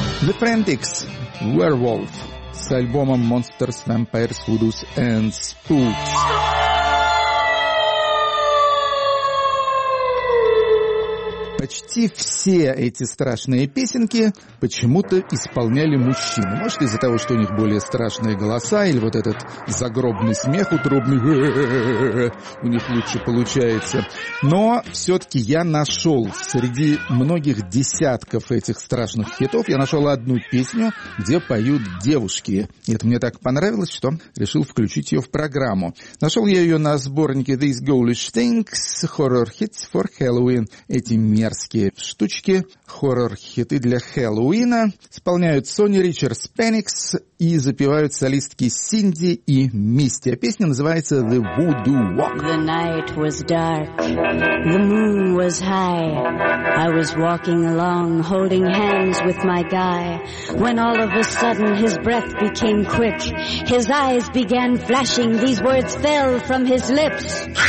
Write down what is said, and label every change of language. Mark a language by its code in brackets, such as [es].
[ru] Werewolf с альбомом Monsters, Vampires, Voodoos and Spooks. Почти все эти страшные песенки почему-то исполняли мужчины. Может, из-за того, что у них более страшные голоса, или вот этот загробный смех утробный у них лучше получается. Но все-таки я нашел среди многих десятков этих страшных хитов, я нашел одну песню, где поют девушки. И это мне так понравилось, что решил включить ее в программу. Нашел я ее на сборнике These Ghoulish Things, Horror Hits for Halloween. Эти мерзкие штучки, хоррор-хиты для Хэллоуина, исполняют Сони Ричардс Пенникс и запевают солистки Синди и Мисти. А песня называется The Voodoo Walk. [en] The night was dark, the moon was high, I was walking along, holding hands with my guy, when all of a sudden his breath became quick, his eyes began flashing, these words fell from his lips.